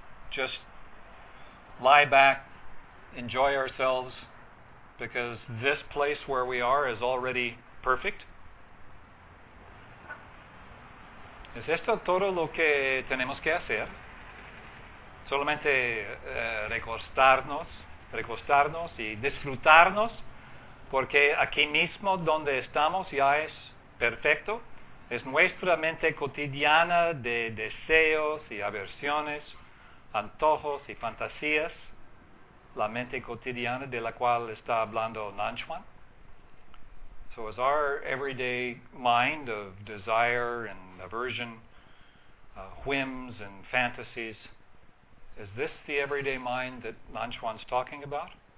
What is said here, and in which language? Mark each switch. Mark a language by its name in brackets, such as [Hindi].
[English] Just lie back, enjoy ourselves, because this place where we are is already perfect? [Spanish] ¿Es esto todo lo que tenemos que hacer? ¿Solamente recostarnos y disfrutarnos? Porque aquí mismo donde estamos ya es perfecto. Es nuestra mente cotidiana de deseos y aversiones, antojos y fantasías, la mente cotidiana de la cual está hablando Nanchuan. [English] So is our everyday mind of desire and aversion, whims and fantasies, is this the everyday mind that Nanchuan's talking about?